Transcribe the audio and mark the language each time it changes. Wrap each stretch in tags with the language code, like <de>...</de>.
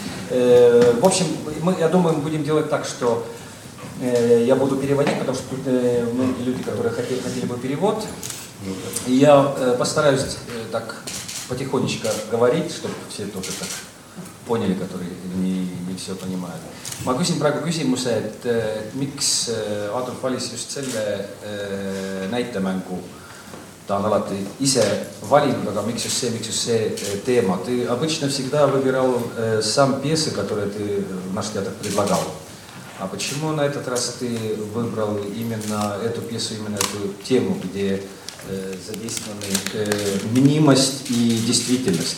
<ru>В общем, мы, я думаю, мы будем делать так, что я буду переводить, потому что тут многие люди, которые хотели бы перевод. Я постараюсь так потихонечку говорить, чтобы все тоже так поняли, которые не все понимают.</ru> <et>Ma küsin praegu küsimuse, et miks Adolf valis just selle näitemängu? Ta on alati ise valinud, aga miks just see teema?</et> <ru>Ты обычно всегда выбирал сам пьесы, которые ты наш театр предлагал. А почему на этот раз ты выбрал именно эту пьесу, именно эту тему, где задействованы мнимость и действительность.</ru>